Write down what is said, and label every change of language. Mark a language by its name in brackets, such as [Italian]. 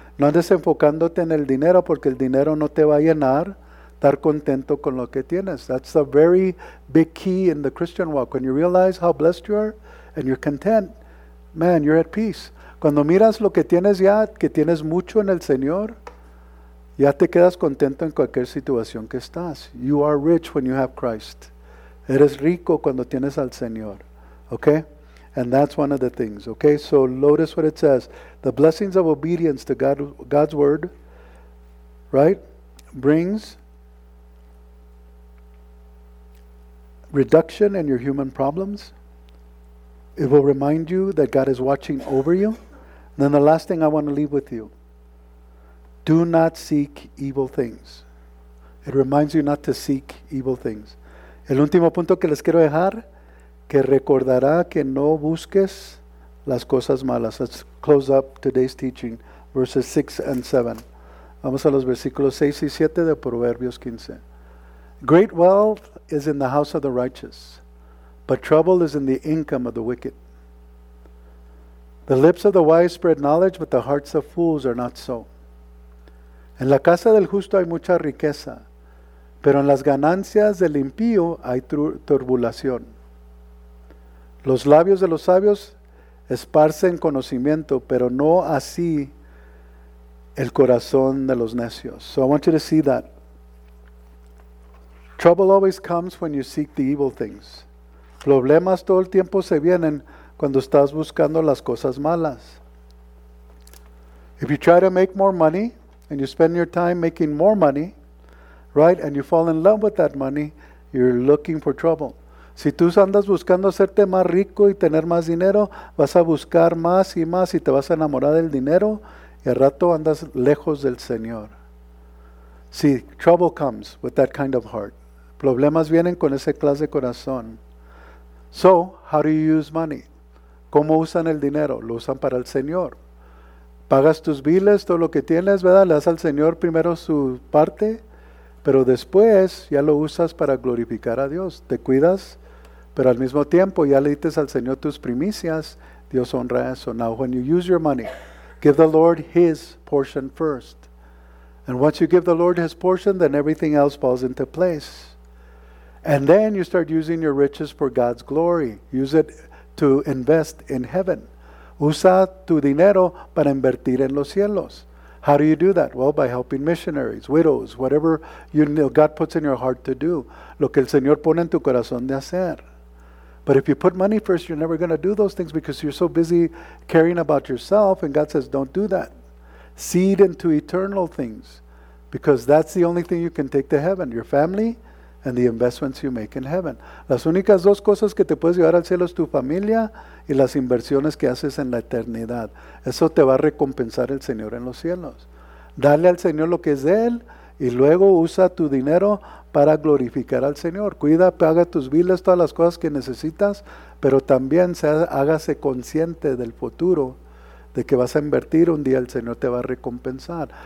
[Spanish] No andes enfocándote en el dinero porque el dinero no te va a llenar. Estar contento con lo que tienes. [English] That's a very big key in the Christian walk. When you realize how blessed you are and you're content, man, you're at peace. [Spanish] Cuando miras lo que tienes ya, que tienes mucho en el Señor, ya te quedas contento en cualquier situación que estás. [English] You are rich when you have Christ. [Spanish] Eres rico cuando tienes al Señor. [English] Okay? And that's one of the things. Okay? So notice what it says. The blessings of obedience to God's word, right, brings reduction in your human problems. It will remind you that God is watching over you. And then the last thing I want to leave with you. Do not seek evil things. It reminds you not to seek evil things. [Spanish] El último punto que les quiero dejar, que recordará que no busques las cosas malas. [English] Let's close up today's teaching, verses 6 and 7. [Spanish] Vamos a los versículos 6 y 7 de Proverbios 15. [English] Great wealth is in the house of the righteous, but trouble is in the income of the wicked. The lips of the wise spread knowledge, but the hearts of fools are not so. [Spanish] En la casa del justo hay mucha riqueza, pero en las ganancias del impío hay turbulación. Los labios de los sabios esparcen conocimiento, pero no así el corazón de los necios. [English] So I want you to see that. Trouble always comes when you seek the evil things. [Spanish] Problemas todo el tiempo se vienen cuando estás buscando las cosas malas. [English] If you try to make more money, and you spend your time making more money, right? And you fall in love with that money, you're looking for trouble. [Spanish] Si tú andas buscando hacerte más rico y tener más dinero, vas a buscar más y más y te vas a enamorar del dinero y al rato andas lejos del Señor. [English] See, trouble comes with that kind of heart. [Spanish] Problemas vienen con ese clase de corazón. [English] So, how do you use money? [Spanish] ¿Cómo usan el dinero? Lo usan para el Señor. Pagas tus biles, todo lo que tienes, ¿verdad? Le das al Señor primero su parte, pero después ya lo usas para glorificar a Dios. Te cuidas, pero al mismo tiempo ya le dices al Señor tus primicias, Dios honra eso. [English] Now, when you use your money, give the Lord his portion first. And once you give the Lord his portion, then everything else falls into place. And then you start using your riches for God's glory. Use it to invest in heaven. [Spanish] Usa tu dinero para invertir en los cielos. [English] How do you do that? Well, by helping missionaries, widows, whatever you know God puts in your heart to do. [Spanish] Lo que el Señor pone en tu corazón de hacer. [English] But if you put money first, you're never going to do those things because you're so busy caring about yourself. And God says, don't do that. seed into eternal things, because that's the only thing you can take to heaven, your family and the investments you make in heaven. [Spanish] Las únicas dos cosas que te puedes llevar al cielo es tu familia y las inversiones que haces en la eternidad. Eso te va a recompensar el Señor en los cielos. Dale al Señor lo que es de Él y luego usa tu dinero para glorificar al Señor. Cuida, paga tus biles, todas las cosas que necesitas, pero también hágase consciente del futuro, de que vas a invertir, un día el Señor te va a recompensar.